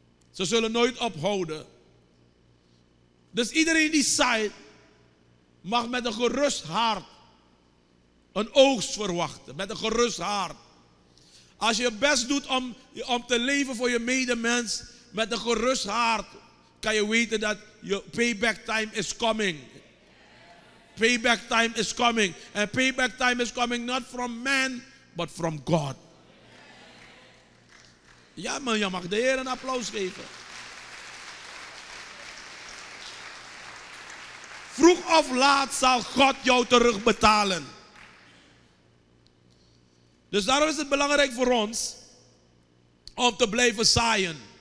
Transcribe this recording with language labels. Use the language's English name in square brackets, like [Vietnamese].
[Dutch] Ze zullen nooit ophouden. Dus iedereen die zaait, mag met een gerust hart een oogst verwachten. Met een gerust hart. Als je je best doet om te leven voor je medemens, met een gerust hart, kan je weten dat je [English] payback time is coming. Payback time is coming. And payback time is coming not from man, but from God. [Dutch] Ja man, je mag de Heer een applaus geven. Vroeg of laat zal God jou terugbetalen. Dus daarom is het belangrijk voor ons om te blijven zaaien.